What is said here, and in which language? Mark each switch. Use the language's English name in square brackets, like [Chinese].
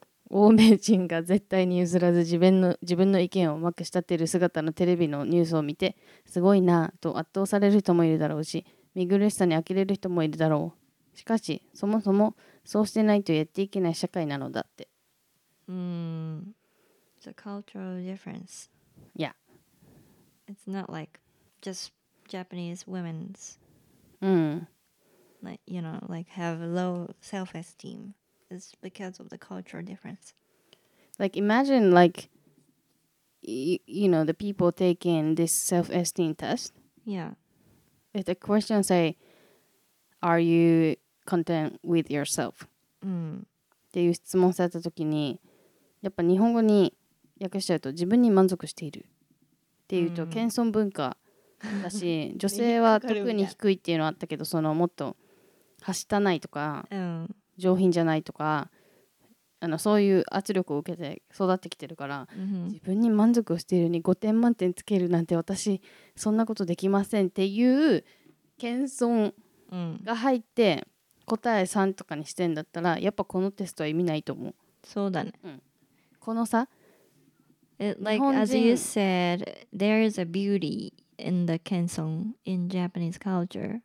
[Japanese] 欧米人が絶対に譲らず自分の意見をうまく仕立てる姿のテレビのニュースを見てすごいなぁと圧倒される人もいるだろうし見苦しさに呆れる人もいるだろうしかしそもそもそうしてないとやっていけない社会なのだって [English] It's a cultural difference Yeah It's not like just Japanese women'sLike, you know, like have low self-esteem. It's because of the cultural difference. Like imagine like, you know, the people taking this self-esteem test. Yeah. If the question say, are you content with yourself? [Japanese] っていう質問された時に、やっぱ日本語に訳しちゃうと自分に満足しているっていうと謙遜文化。だし女性は特に低いっていうのはあったけどそのもっとはしたないとか、うん、上品じゃないとかあのそういう圧力を受けて育ってきてるから、うん、自分に満足しているに5点満点つけるなんて私そんなことできませんっていう謙遜が入って答え3とかにしてんだったらやっぱこのテストは意味ないと思うそうだね、うん、このさ [English] like as you said there is a beautyin the kenson in Japanese culture